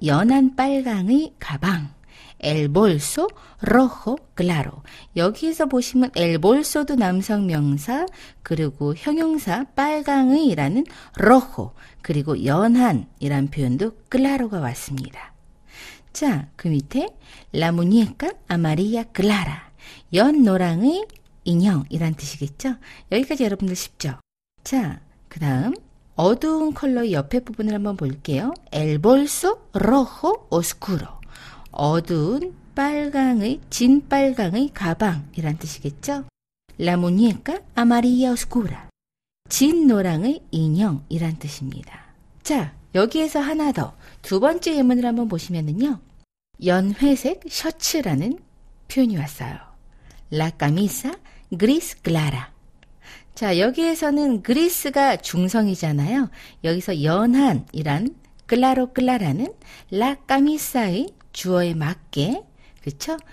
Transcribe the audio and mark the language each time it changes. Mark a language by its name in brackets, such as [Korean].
[Korean] 연한 빨강의 가방. [Spanish] El bolso rojo claro. [Korean] 여기에서 보시면 el bolso도 남성 명사, 그리고 형용사 빨강의라는 rojo, 그리고 연한이란 표현도 claro가 왔습니다. 자, 그 밑에 [Spanish] la muñeca amarilla clara. [Korean] 연 노랑의 인형이란 뜻이겠죠? 여기까지 여러분들 쉽죠? 자, 그 다음 어두운 컬러의 옆에 부분을 한번 볼게요. [Spanish] El bolso rojo oscuro. [Korean] 어두운 빨강의, 진 빨강의 가방이란 뜻이겠죠? [Spanish] La muñeca amarilla oscura. [Korean] 진 노랑의 인형이란 뜻입니다. 자, 여기에서 하나 더. 두 번째 예문을 한번 보시면은요. 연회색 셔츠라는 표현이 왔어요. [Spanish] La camisa gris clara. [Korean] 자, 여기에서는 그리스가 중성이잖아요. 여기서 연한이란 claro clara는 la camisa의 주어에 맞게, 그렇죠?